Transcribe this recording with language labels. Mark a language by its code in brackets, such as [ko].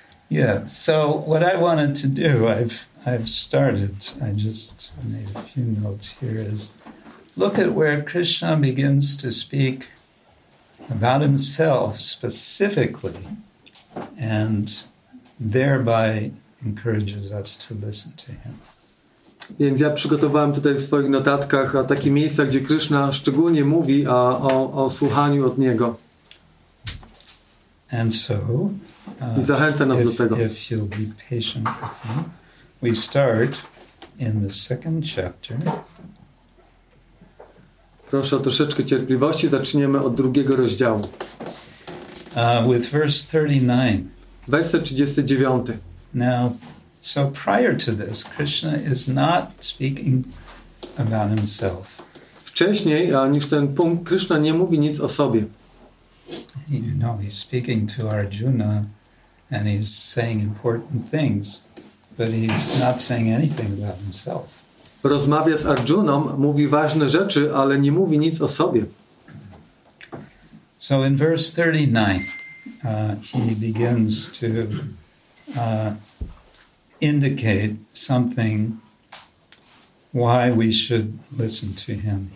[en] Yeah, so what I wanted to do, I just made a few notes here, is look at where Krishna begins to speak about himself specifically and thereby encourages us to listen to him. [pl] Więc ja przygotowałem tutaj w swoich notatkach takie miejsca, gdzie Krishna szczególnie mówi o słuchaniu od Niego. [en] And so, [pl] I zachęca nas do tego. [en] If you'll be patient with me, we start in the second chapter. [pl] Proszę o troszeczkę cierpliwości, zaczniemy od drugiego rozdziału. [en] With verse 39. [pl] Werset 39. [en] Now, so prior to this, Krishna is not speaking about himself. [pl] Wcześniej niż ten punkt, Krishna nie mówi nic o sobie. [en] You know, he's speaking to Arjuna and he's saying important things, but he's not saying anything about himself. [pl] Rozmawia z Arjuną, mówi ważne rzeczy, ale nie mówi nic o sobie. [en] So in verse 39, he begins to indicate something why we should listen to him.